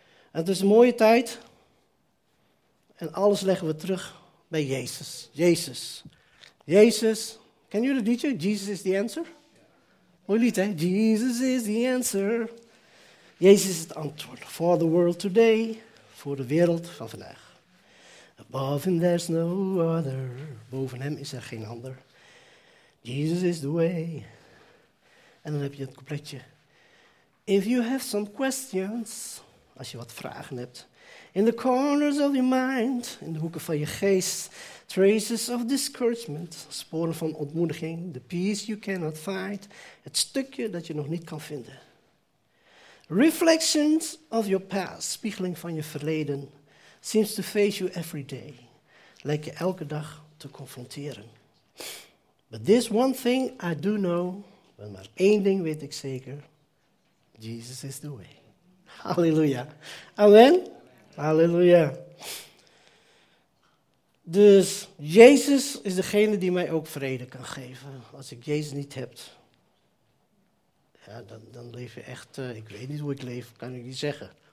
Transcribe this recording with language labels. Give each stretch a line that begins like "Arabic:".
Dutch: En het is een mooie tijd. En alles leggen we terug bij Jezus. Jezus. Jezus. Ken jullie het liedje?
English: Jesus is the answer.
Dutch: Mooi lied, hè?
English: Jesus is the answer.
Dutch: Jezus is het antwoord.
English: For the world today.
Dutch: Voor de wereld van vandaag.
English: Above him there's no other.
Dutch: Boven hem is er geen ander.
English: Jesus is the way.
Dutch: En dan heb je het coupletje.
English: If you have some questions.
Dutch: Als je wat vragen hebt.
English: In the corners of your mind.
Dutch: In de hoeken van je geest.
English: Traces of discouragement.
Dutch: Sporen van ontmoediging.
English: The peace you cannot find.
Dutch: Het stukje dat je nog niet kan vinden.
English: Reflections of your past.
Dutch: Spiegeling van je verleden.
English: Seems to face you every day.
Dutch: Lijkt je elke dag te confronteren.
English: But this one thing I do know.
Dutch: Well, maar één ding weet ik zeker.
English: Jesus is the way. Halleluja. Amen. Halleluja.
Dutch: Dus Jezus is degene die mij ook vrede kan geven. Als ik Jezus niet heb, ja, dan leef je echt, ik weet niet hoe ik leef, kan ik niet zeggen.